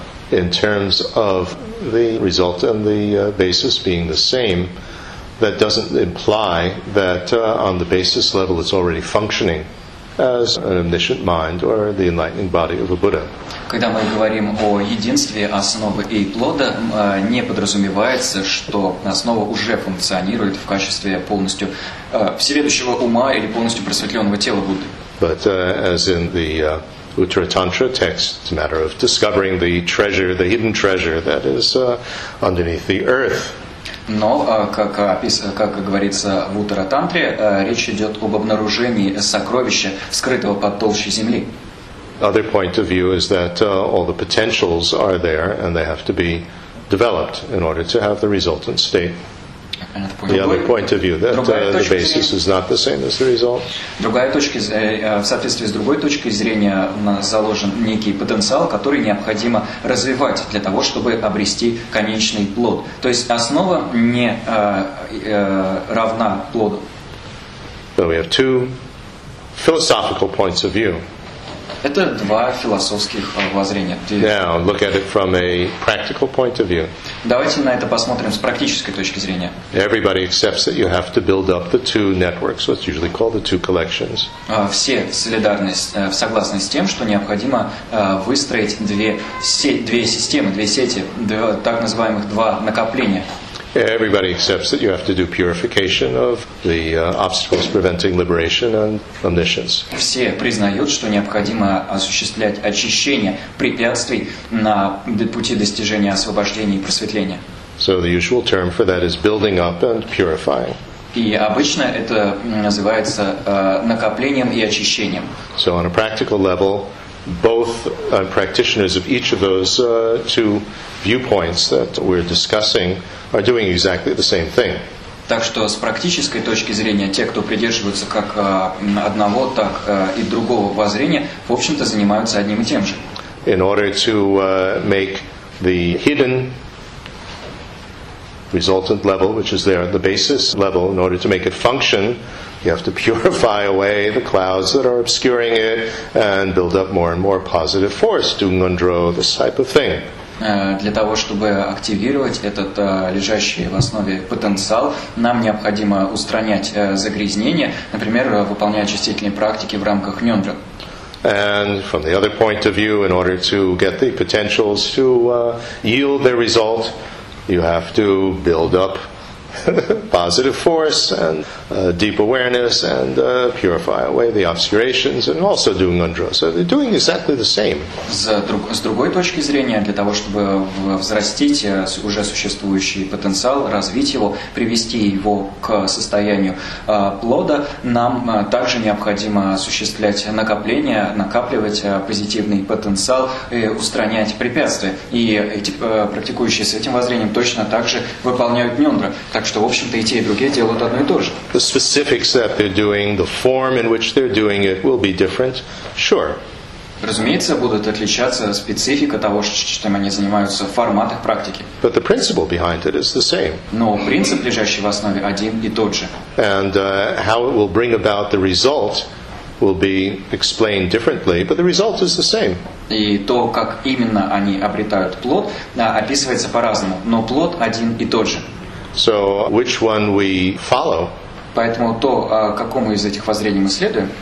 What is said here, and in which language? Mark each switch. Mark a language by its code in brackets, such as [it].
[en] In terms of the result and the basis being the same, that doesn't imply that on the basis level it's already functioning as an omniscient mind or the enlightening body of a Buddha. [ru] Когда мы говорим о единстве основы и плода, не подразумевается, что основа уже функционирует в качестве полностью всеведущего ума или полностью просветленного тела Будды. [en] But as in the Uttara Tantra text, it's a matter of discovering the treasure, the hidden treasure that is underneath the earth. [ru] Но, как говорится в Уттара-тантре, речь идет об обнаружении сокровища, скрытого под толщей земли. [en] Other point of view is that all the potentials are there and they have to be developed in order to have the resultant state. other point of view, that the basis is not the same as the result. [ru] Другая точка, в соответствии с другой точкой зрения у нас заложен некий потенциал, который необходимо развивать для того, чтобы обрести конечный плод. То есть основа не равна плоду. [en] So we have two philosophical points of view. [ru] Это два философских воззрения. [en] Now look at it from a practical point of view. [ru] Давайте на это посмотрим с практической точки зрения. [en] Everybody accepts that you have to build up the two networks, what's usually called the two collections. [ru] Все согласны с тем, что необходимо выстроить две системы, две сети, так называемых два накопления. [en] Everybody accepts that you have to do purification of the obstacles preventing liberation and omniscience. [ru] Все признают, что необходимо осуществлять очищение препятствий на пути достижения освобождения и просветления. [en] So the usual term for that is building up and purifying. [ru] И обычно это называется накоплением и очищением. [en] So on a practical level, both practitioners of each of those two viewpoints that we're discussing are doing exactly the same thing. [ru] Так что с практической точки зрения те, кто придерживаются как одного, так и другого воззрения, в общем-то занимаются одним и тем же. [en] In order to make the hidden resultant level, which is there at the basis level, in order to make it function, you have to purify away the clouds that are obscuring it and build up more and more positive force, dungandro, this type of thing. [ru] Для того, чтобы активировать этот лежащий в основе потенциал, нам необходимо устранять загрязнения, например, выполняя очистительные практики в рамках нёндра. [en] And from the other point of view, in order to get the potentials to yield their result, you have to build up positive force and deep awareness and purify away the obscurations and also doing undra. So they're doing exactly the same. [ru] С другой точки зрения, для того, чтобы взрастить уже существующий потенциал, развить его, привести его к состоянию плода, нам также необходимо осуществлять накопление, накапливать позитивный потенциал и устранять препятствия. И эти практикующие с этим воззрением точно так же выполняют нюндра. Так что, в общем-то, и те, и другие делают одно и то же. [en] The specifics that they're doing, the form in which they're doing it will be different, sure. [ru] Разумеется, будут отличаться специфика того, чем они занимаются, в форматах практики. [en] But the principle behind it is the same. [ru] Но принцип, лежащий в основе, один и тот же. [en] And how it will bring about the result will be explained differently, but the result is the same. [ru] И то, как именно они обретают плод, описывается по-разному, но плод один и тот же. [en] So which one we follow? [ru] Поэтому то, какому из этих воззрений мы следуем?